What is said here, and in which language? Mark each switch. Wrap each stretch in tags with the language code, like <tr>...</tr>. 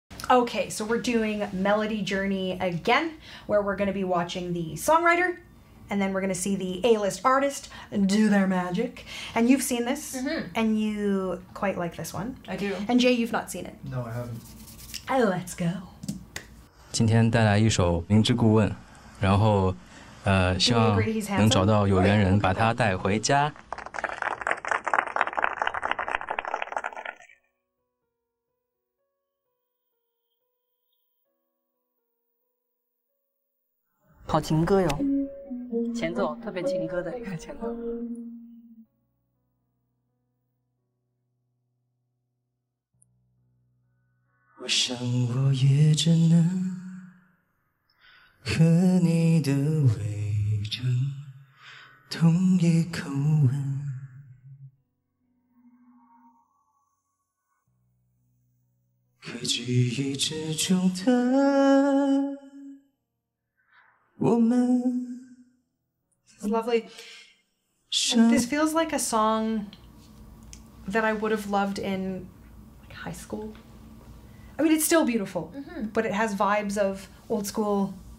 <en>Okay, so we're doing Melody Journey again, where we're going to be watching the songwriter, and then we're going to see the A-list artist do their magic. And you've seen this, and you quite like this one. I do. And Jay, you've not seen it. No, I haven't. Oh, let's go.</en> <zh>今天带来一首《明知故问》，然后，希望能找到有缘人把他带回家。好情歌哟，前奏特别情歌的一个前奏。我想我也只能和你的味道同一口吻，可记忆之中的我们。</zh> <en>It's lovely. This feels like a song that I would have loved in high school. I mean, it's still beautiful, but it has vibes of old school.</en>